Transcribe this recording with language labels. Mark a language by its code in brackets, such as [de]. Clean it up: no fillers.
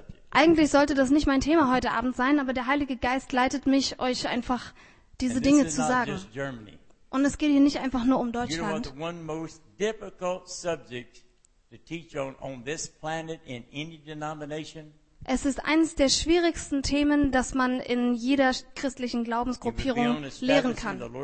[de] Eigentlich sollte das nicht mein Thema heute Abend sein, aber der Heilige Geist leitet mich, euch einfach diese Dinge zu sagen. Und es geht hier nicht einfach nur um Deutschland. [en] You know what the one most difficult subject to teach on this planet in any denomination? [de] Es ist eines der schwierigsten Themen, das man in jeder christlichen Glaubensgruppierung lehren kann.